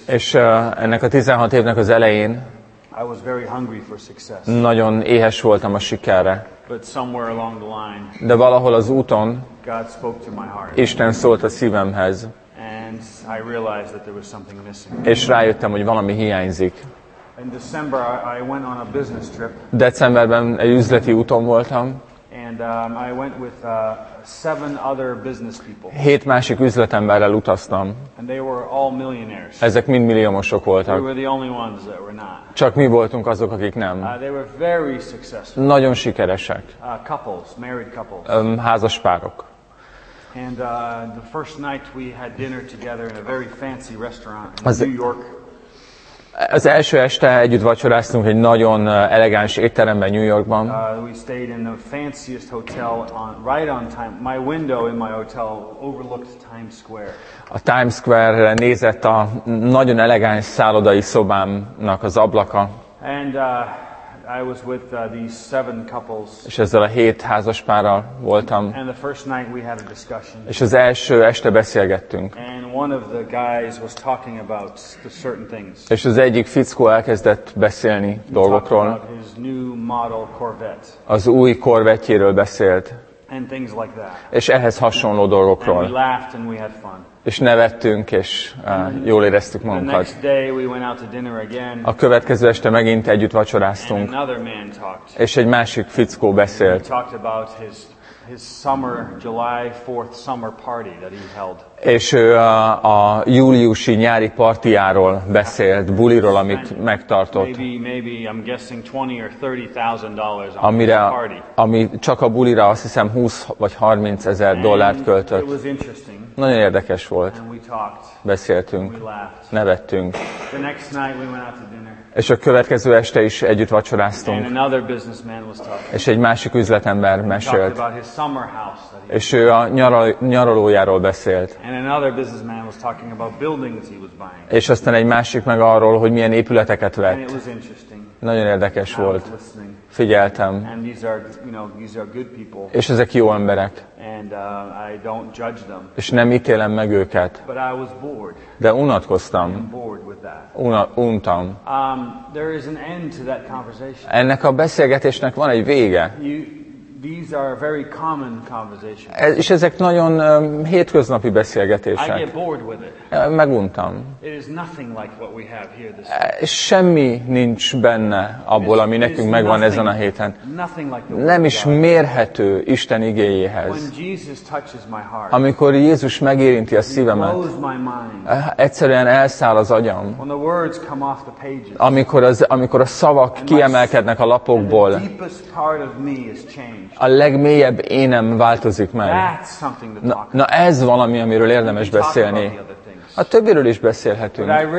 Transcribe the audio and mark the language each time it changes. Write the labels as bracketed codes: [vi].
[hu] és ennek a 16 évnek az elején, [en] I was very hungry for success. [hu] Nagyon éhes voltam a sikerre. [en] But somewhere along the line, [hu] de valahol az úton, [en] God spoke to my heart. [hu] Isten szólt a szívemhez. [en] And I realized that there was something missing. [hu] És rájöttem, hogy valami hiányzik. [en] In December, I went on a business trip. [hu] Decemberben egy üzleti úton voltam. [en] And I went with 7 other business people. [hu] 7 másik üzletemberrel utaztam. [en] And they were all millionaires. [hu] Ezek mind milliómosok voltak. [en] We were the only ones that were not. [hu] Csak mi voltunk azok, akik nem. [en] They were very successful. [hu] Nagyon sikeresek. [en] Couples, married couples. [hu] Házas párok. [en] And the first night we had dinner together in a very fancy restaurant in New York. [hu] Az első este együtt vacsoráztunk egy nagyon elegáns étteremben New Yorkban. [en] We stayed in the fanciest hotel right on time. My window in my hotel overlooked Times Square. [hu] A Times Square-re nézett a nagyon elegáns szállodai szobámnak az ablaka. [en] And I was with these 7 couples. [hu] És ezzel a 7 házaspárral voltam. [en] And the first night we had a discussion. [hu] És az első este beszélgettünk. [en] One of the guys was talking about the certain things. [hu] És az egyik fickó elkezdett beszélni dolgokról. [en] His new model Corvette. [hu] Az új Corvette-jéről beszélt. [en] And things like that. [hu] És ehhez hasonló dolgokról. [en] And we laughed and we had fun. [hu] És nevettünk, és jól éreztük magunkat. [en] The next day we went out to dinner again. [hu] A következő este megint együtt vacsoráztunk. [en] And another man talked. [hu] És egy másik fickó beszélt. [en] He talked about his his summer July 4th summer party that he held. [hu] És ő a júliusi nyári partiáról beszélt, buliról, amit megtartott. [en] Maybe I'm guessing $20,000 or $30,000 on [hu] amire, [en] the party. [hu] Ami csak a bulira, azt hiszem 20 vagy 30 ezer dollárt költött. [en] It was interesting. [hu] Nagyon érdekes volt. [en] And we talked. [hu] Beszéltünk. [en] We laughed. [hu] Nevettünk. [en] The next night we went out to dinner. [hu] És a következő este is együtt vacsoráztunk. [en] And another businessman was talking. [hu] És egy másik üzletember mesélt. [en] About his summer house that he [hu] és ő a nyaralójáról beszélt. [en] And another businessman was talking about buildings he was buying. [hu] És aztán egy másik meg arról, hogy milyen épületeket vett. [en] And it was interesting. [hu] Nagyon érdekes [en] and [hu] volt. [en] I was listening. [hu] Figyeltem. [en] And these are, you know, these are good people. [hu] És ezek jó emberek. [en] And, I don't judge them. [hu] És nem ítélem meg őket. [en] But I was bored. [hu] De unatkoztam. [en] And bored with that. [hu] Untam. [en] There is an end to that conversation. [hu] Ennek a beszélgetésnek van egy vége. [en] These are very common conversations. [hu] És ezek nagyon hétköznapi beszélgetések. [en] I get bored with it. [hu] Meguntam. [en] It is nothing like what we have here this week. [hu] Semmi nincs benne abból, ami nekünk megvan ezen a héten. [en] Nothing like the word. [hu] Nem is mérhető Isten igéjéhez. [en] When Jesus touches my heart. [hu] Amikor Jézus megérinti a szívemet. [en] He blows my mind. [hu] Egyszerűen elszáll az agyam. [en] When the words come off the pages. [hu] Amikor a szavak kiemelkednek a lapokból. [en] And the deepest part of me is changed. [hu] A legmélyebb énem változik meg. Na ez valami, amiről érdemes beszélni. A többiről is beszélhetünk.